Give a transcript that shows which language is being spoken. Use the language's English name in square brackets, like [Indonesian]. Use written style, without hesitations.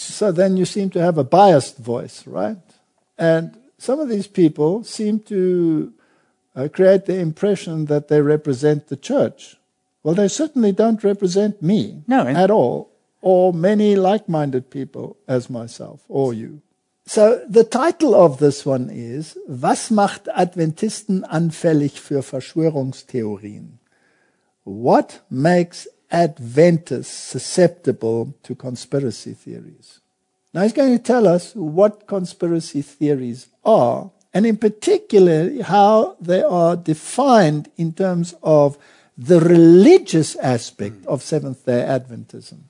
[English] So then you seem to have a biased voice, right? And some of these people seem to create the impression that they represent the church. Well, they certainly don't represent me at all, or many like-minded people as myself or you. So the title of this one is, [German] Was macht Adventisten anfällig für Verschwörungstheorien? [English] What makes Adventists susceptible to conspiracy theories? Now he's going to tell us what conspiracy theories are, and in particular how they are defined in terms of the religious aspect of Seventh-day Adventism.